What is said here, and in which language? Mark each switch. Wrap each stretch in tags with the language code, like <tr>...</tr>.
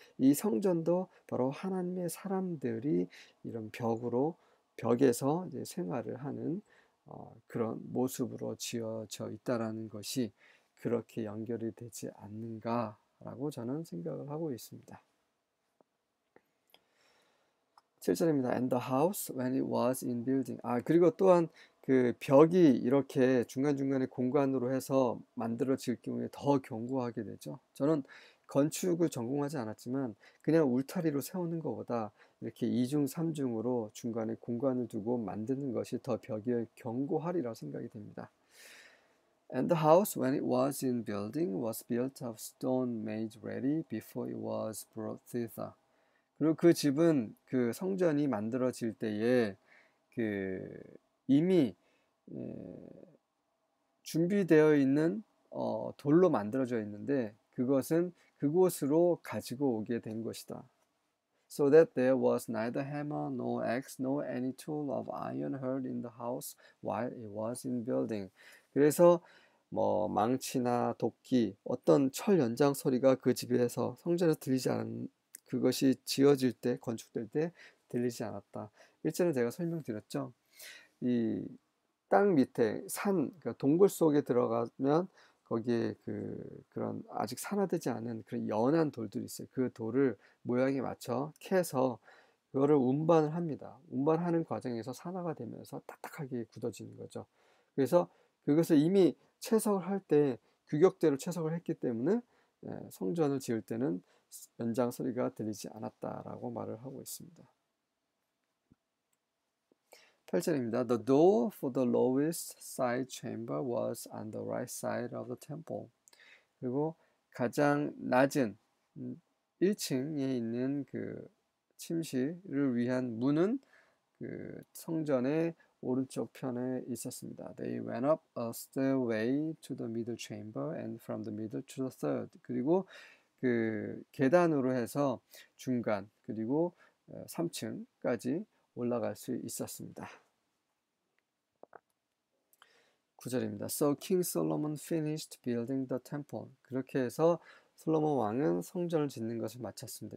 <ko>이 성전도 바로 하나님의 사람들이 이런 벽에서 이제 생활을 하는 그런 모습으로 지어져 있다는 것이 그렇게 연결이 되지 않는가라고 저는 생각을 하고 있습니다. 7절입니다.</ko> <en>And the house when it was in building.</en> <ko>아, 그리고 또한 그 벽이 이렇게 중간중간에 공간으로 해서 만들어질 경우에 더 견고하게 되죠. 저는 건축을 전공하지 않았지만 그냥 울타리로 세우는 것보다 이렇게 이중, 삼중으로 중간에 공간을 두고 만드는 것이 더 벽이 견고하리라 생각이 됩니다.</ko> <en>And the house, when it was in building, was built of stone made ready before it was brought thither.</en> <ko>그리고 그 집은 그 성전이 만들어질 때에 그 이미 준비되어 있는 돌로 만들어져 있는데 그것은 그곳으로 가지고 오게 된 것이다.</ko> <en>So that there was neither hammer nor axe nor any tool of iron heard in the house while it was in building.</en> <ko>그래서 뭐 망치나 도끼, 어떤 철 연장 소리가 그 집에서 성전에 들리지 않은 그것이 지어질 때, 건축될 때 들리지 않았다. 일전에 제가 설명드렸죠. 이땅 밑에 산, 그러니까 동굴 속에 들어가면 거기에 그런 아직 산화되지 않은 그런 연한 돌들이 있어요. 그 돌을 모양에 맞춰 캐서 그거를 운반을 합니다. 운반하는 과정에서 산화가 되면서 딱딱하게 굳어지는 거죠. 그래서 그것을 이미 채석을 할때 규격대로 채석을 했기 때문에 성전을 지을 때는 연장 소리가 들리지 않았다라고 말을 하고 있습니다. 8절입니다.</ko> <en>The door for the lowest side chamber was on the right side of the temple.</en> <ko>그리고 가장 낮은 1층에 있는 그 침실을 위한 문은 그 성전의 오른쪽 편에 있었습니다.</ko> <en>They went up a stairway to the middle chamber and from the middle to the third.</en> <ko>그리고 그 계단으로 해서 중간 그리고 3층까지 올라갈 수 있었습니다. 9절입니다.</ko> <en>So King Solomon finished building the temple.</en> <ko>그렇게 해서 솔로몬 왕은 성전을 짓는 것을 마쳤습니다.</ko>